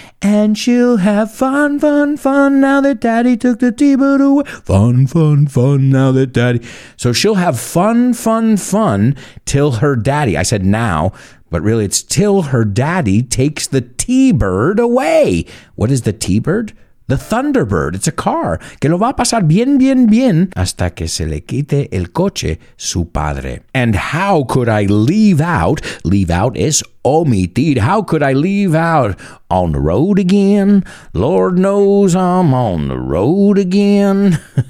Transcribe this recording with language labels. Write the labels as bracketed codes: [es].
[en] And she'll have fun, fun, fun now that daddy took the T-boot away. Fun, fun, fun now that daddy. So she'll have fun, fun, fun till her daddy. I said now, but really it's till her daddy takes the T-bird away. What is the T-bird? The Thunderbird, it's a car. [es] Que lo va a pasar bien, bien, bien hasta que se le quite el coche su padre. [en] And how could I leave out [es] es omitir. [en] How could I leave out on the road again? Lord knows I'm on the road again.